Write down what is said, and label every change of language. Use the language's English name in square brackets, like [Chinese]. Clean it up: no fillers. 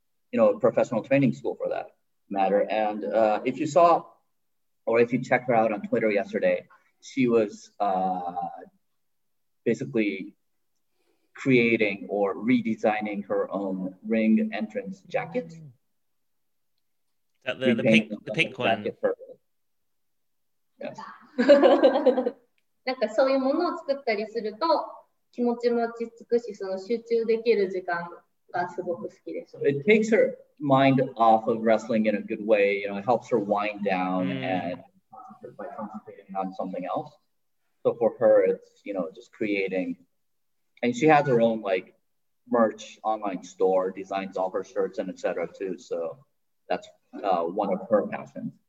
[English] You know, professional training school for that matter. And if you saw, or if you checked her out on Twitter yesterday, she was basically creating or redesigning her own ring entrance jacket. The pink one. [Japanese] なんかそういうものを作ったりすると、気持ちも落ち着くし、その集中できる時間がすごく好きです。 [English] It takes her mind off of wrestling in a good way. You know, it helps her wind down and by concentrating on something else. So for her, it's, you know, just creating. And she has her own, like, merch online store, designs all her shirts and et cetera, too. So that's one of her passions.